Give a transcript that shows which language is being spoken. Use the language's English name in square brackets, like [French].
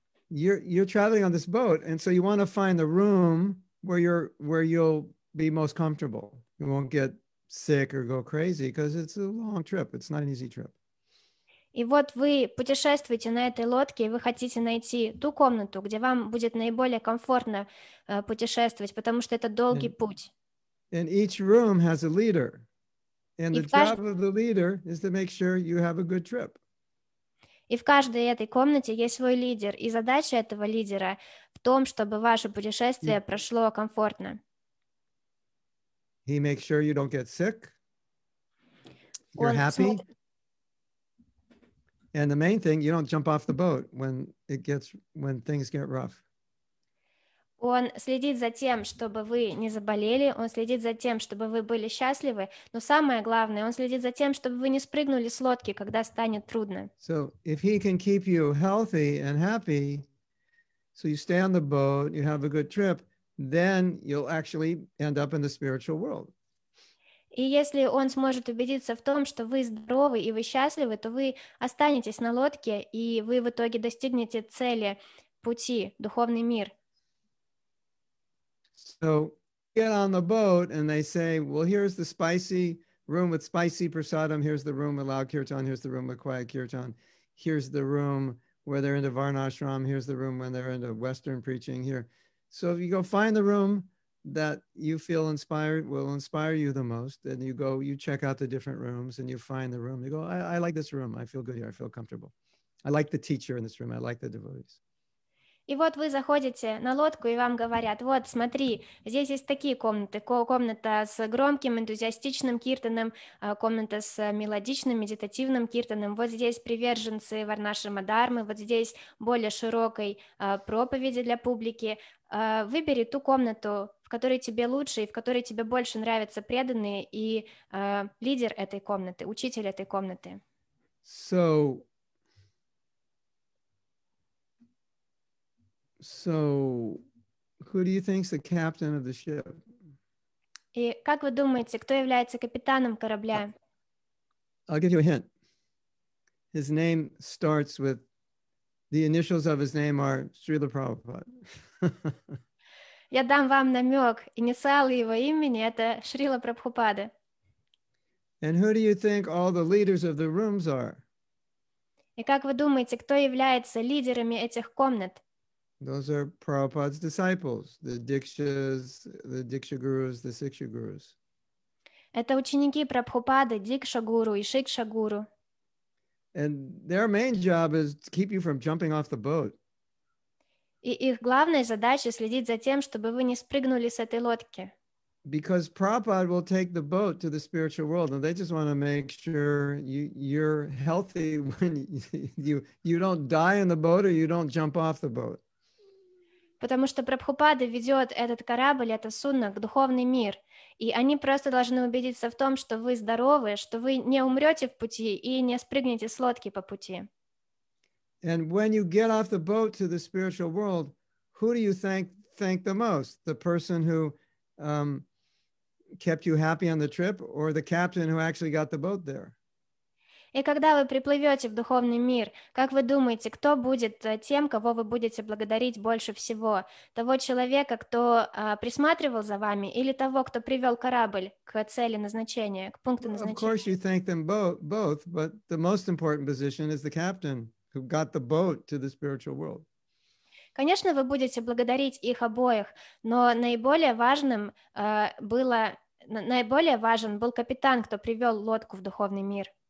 [English] You're traveling on this boat, and so you want to find the room where you'll be most comfortable. You won't get sick or go crazy because it's a long trip. It's not an easy trip. [Russian] И вот вы путешествуете на этой лодке, и вы хотите найти ту комнату, где вам будет наиболее комфортно путешествовать, потому что это долгий путь. [English] And each room has a leader. And the job of the leader is to make sure you have a good trip. [Russian] И в каждой этой комнате есть свой лидер. И задача этого лидера в том, чтобы ваше путешествие прошло комфортно. [English] He makes sure you don't get sick. You're happy. And the main thing, you don't jump off the boat when things get rough. [Russian] Он следит за тем, чтобы вы не заболели, он следит за тем, чтобы вы были счастливы, но самое главное, он следит за тем, чтобы вы не спрыгнули с лодки, когда станет трудно. [English] So if he can keep you healthy and happy, so you stay on the boat, you have a good trip, then you'll actually end up in the spiritual world. [Russian] И если он сможет убедиться в том, что вы здоровы и вы счастливы, то вы останетесь на лодке, и вы в итоге достигнете цели, пути, духовный мир. [English] So get on the boat and they say, well, here's the spicy room with spicy prasadam, here's the room with loud kirtan, here's the room with quiet kirtan, here's the room where they're into varnashram, here's the room when they're into Western preaching here. So if you go find the room that you feel inspired will inspire you the most, then you go, you check out the different rooms and you find the room. You go, I like this room. I feel good here. I feel comfortable. I like the teacher in this room. I like the devotees. [Russian] И вот вы заходите на лодку, и вам говорят, вот, смотри, здесь есть такие комнаты. Комната с громким, энтузиастичным киртаном, комната с мелодичным, медитативным киртаном. Вот здесь приверженцы Варнашрама Дармы, вот здесь более широкой проповеди для публики. Выбери ту комнату, в которой тебе лучше, и в которой тебе больше нравятся преданные, и лидер этой комнаты, учитель этой комнаты. [English] So... So, who do you think is the captain of the ship? [Russian] И как вы думаете, кто является капитаном корабля? [English] I'll give you a hint. His name starts with, the initials of his name are Srila Prabhupada. [Russian] Я дам вам намек. Инициалы его имени — это Шрила Прабхупада. [English] And who do you think all the leaders of the rooms are? [Russian] И как вы думаете, кто является лидерами этих комнат? [English] Those are Prabhupada's disciples, the Diksha Gurus, the Siksha Gurus. [Russian] Это ученики Прабхупады, Дикша Гуру и Шикша Гуру. [English] And their main job is to keep you from jumping off the boat. [Russian] И их главная задача — следить за тем, чтобы вы не спрыгнули с этой лодки. [English] Because Prabhupada will take the boat to the spiritual world, and they just want to make sure you're healthy when you don't die in the boat or you don't jump off the boat. [Russian] Потому что Прабхупада ведет этот корабль, это судно, к духовный мир. И они просто должны убедиться в том, что вы здоровы, что вы не умрете в пути и не спрыгнете с лодки по пути. [English] And when you get off the boat to the spiritual world, who do you thank the most? The person who kept you happy on the trip or the captain who actually got the boat there? [Russian] И когда вы приплывете в духовный мир, как вы думаете, кто будет тем, кого вы будете благодарить больше всего? Того человека, кто присматривал за вами, или того, кто привел корабль к цели назначения, к пункту назначения? [English] Well, of course you thank them both, but the most important position is the captain who got the boat to the spiritual world. [Russian] Конечно, вы будете благодарить их обоих, но наиболее важен был капитан, кто привел лодку в духовный мир.